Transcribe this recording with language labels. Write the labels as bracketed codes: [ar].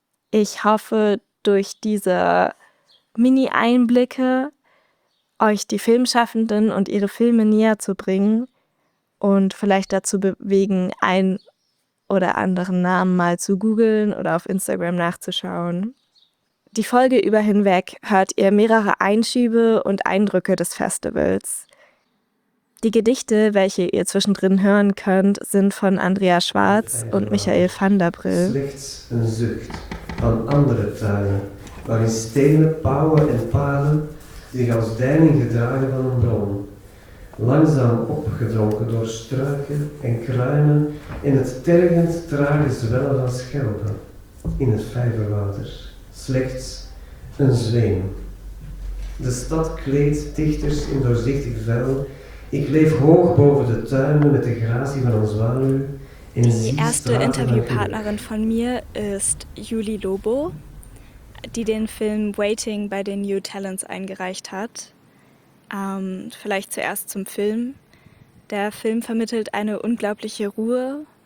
[de] Ich hoffe, durch diese Mini-Einblicke euch die Filmschaffenden und ihre Filme näher zu bringen und vielleicht dazu bewegen, einen oder anderen Namen mal zu googeln oder auf Instagram nachzuschauen. Die Folge über hinweg hört ihr mehrere Einschübe und Eindrücke des Festivals. Die Gedichte, welche ihr zwischendrin hören könnt, sind von Andrea Schwarz und Michael van der Brill. [nl] Slechts een zucht van andere tuinen, waarin stenen, pauwen en palen zich als deining gedragen van een bron. Langzaam opgedronken door struiken en kruinen in het tergend trage zwellen van schelpen in het vijverwater. Slechts een zweem. De stad kleedt dichters in doorzichtig vel Ich leef hoch boven de tuinen met de gratie van een zwaluw. [de] Die erste Interviewpartnerin von mir ist Julie Lobo, die den Film Waiting bei den New Talents eingereicht hat. Vielleicht zuerst zum Film. Der Film vermittelt eine unglaubliche Ruhe.